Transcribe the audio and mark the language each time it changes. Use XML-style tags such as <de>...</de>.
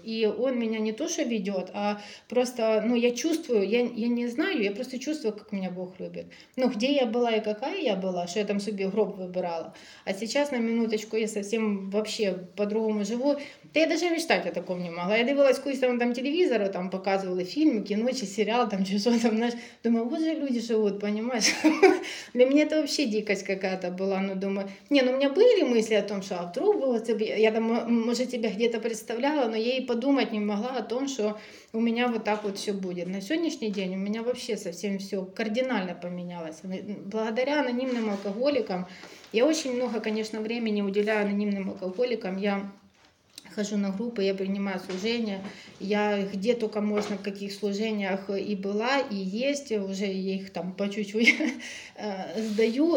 <ru>И Он меня не то, что ведет, а просто, ну, я чувствую, я не знаю, я просто чувствую, как меня Бог любит. Ну, где я была и какая я была, что я там себе гроб выбирала. А сейчас, на минуточку, я совсем вообще по-другому живу. живу. Та я даже мечтать о таком не могла.</ru> <uk>Я дивилась кусь там, там телевізору, там показували фільм, кіно чи серіал, там, чи що там, знаєш. Думаю, боже, люди живуть, понимаєш? Для мене це взагалі</uk> <ru>дикость какая-то</ru> <uk>була. Ну, думаю, ні, ну, у мене були мислі о том, що, а вдруг було це, я там, може, тебе где-то представляла, но я і подумати не могла о том, що у мене вот так вот все буде. На сьогоднішній день у мене взагалі совсем все кардинально помінялося.</uk> <ru>Благодаря анонимним алкоголікам, я очень много, конечно, времени уделяю анонимным алкоголикам. Я хожу на группы, я принимаю служения. Я где только можно, в каких служениях и была, и есть. Уже я их там по чуть-чуть сдаю.</ru>